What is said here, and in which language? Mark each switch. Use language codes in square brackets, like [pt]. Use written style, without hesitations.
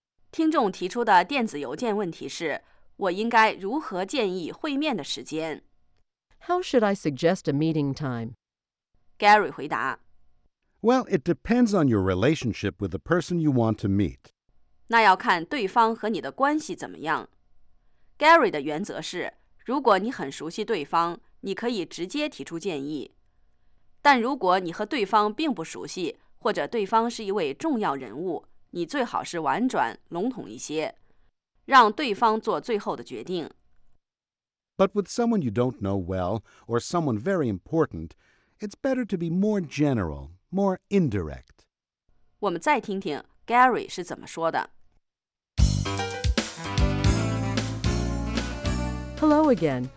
[zh] 听众提出的电子邮件问题是：我应该如何建议会面的时间 [en] ？How should I suggest a meeting time? [zh] Gary 回答 [en] ：Well, it depends on your relationship with the person you want to meet. [zh] 那要看对方和你的关系怎么样。Gary 的原则是：如果你很熟悉对方，你可以直接提出建议；但如果你和对方并不熟悉，或者对方是一位重要人物。你最好是婉转、笼统一些，让对方做最后的决定。 [en] But with someone you don't know well, or someone very important, it's better to be more general, more indirect. [zh] 我们再听听 Gary 是怎么说的。 [en] Hello again.